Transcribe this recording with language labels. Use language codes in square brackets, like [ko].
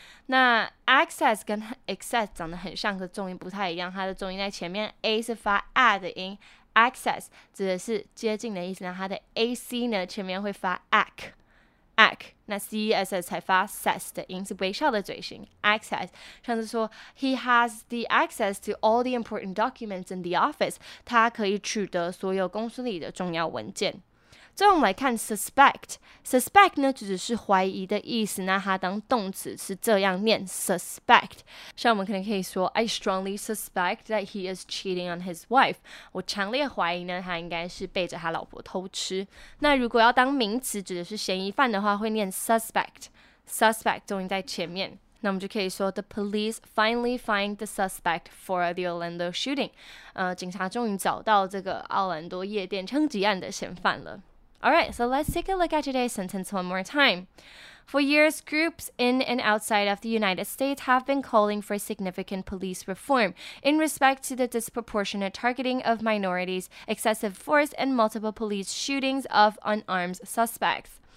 [zh] 那 access 跟 excess 长得很像，可重音不太一样。它的重音在前面 ，a 是发 a 的音 ，access 指的是接近的意思。那它的 ac 呢，前面会发 ac， 那 ess 才发 ses 的音，是微笑的嘴型。 [en] access [zh] 像是说 [en] ，he has the access to all the important documents in the office. [zh] 他可以取得所有公司里的重要文件。最后我们来看 suspect 呢，指的是怀疑的意思。那它当动词是这样念 suspect。像我们可能可以说 [en] ，I strongly suspect that he is cheating on his wife。 [zh] 我强烈怀疑呢，他应该是背着他老婆偷吃。那如果要当名词，指的是嫌疑犯的话，会念 suspect。 suspect 重音在前面。那我们就可以说 [en] ，The police finally find the suspect for the Orlando shooting。 [zh] 警察终于找到这个奥兰多夜店枪击案的嫌犯了。 [en] Alright, so let's take a look at today's sentence one more time. For years, groups in and outside of the United States have been calling for significant police reform in respect to the disproportionate targeting of minorities, excessive force, and multiple police shootings of unarmed suspects.